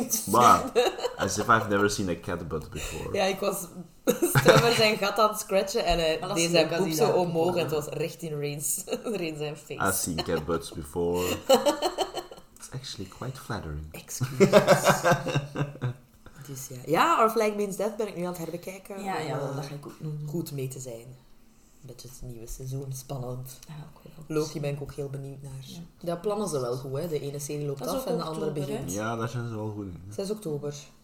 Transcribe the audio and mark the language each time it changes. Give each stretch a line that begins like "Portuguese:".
English: Maar, as if I've never seen a cat butt before.
Dutch: Ja, ik was strummer zijn gat aan het scratchen en hij deed zijn boek zo omhoog. Het was recht in Reen zijn face.
English: I've seen cat butts before. It's actually quite flattering. Excuse me.
Dutch: Dus ja. Ja, Our Flag Means Death ben ik nu aan het herbekijken. Ja, ja, dat ga ik ook goed mee te zijn. Met het nieuwe seizoen, spannend. Ja, Loki ben ik ook heel benieuwd naar. Ja. Dat plannen ze wel goed, hè. De ene serie loopt af en de andere begint. Ja, daar zijn ze wel goed in. 6 oktober.